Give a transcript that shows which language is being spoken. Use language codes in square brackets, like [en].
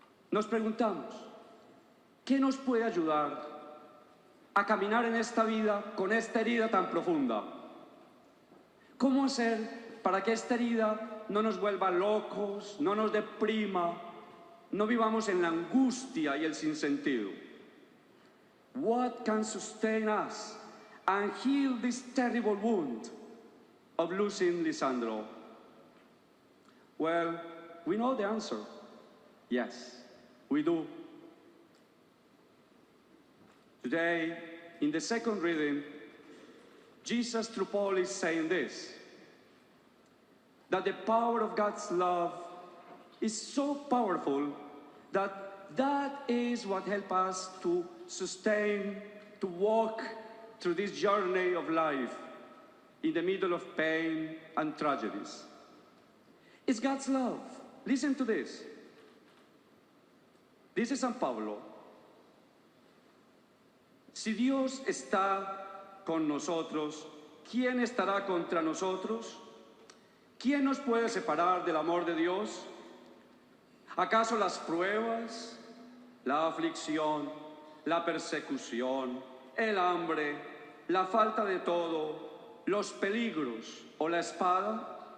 [es] Nos preguntamos, ¿qué nos puede ayudar a caminar en esta vida con esta herida tan profunda? ¿Cómo hacer para que esta herida no nos vuelva locos, no nos deprima, no vivamos en la angustia y el sinsentido? [en] What can sustain us and heal this terrible wound of losing Lisandro? Well, we know the answer. Yes, we do. Today, in the second reading, Jesus through Paul is saying this, that the power of God's love is so powerful that that is what helps us to sustain, to walk through this journey of life in the middle of pain and tragedies. It's God's love. Listen to this. [es] Dice San Pablo, si Dios está con nosotros, ¿quién estará contra nosotros? ¿Quién nos puede separar del amor de Dios? ¿Acaso las pruebas, la aflicción, la persecución, el hambre, la falta de todo, los peligros o la espada?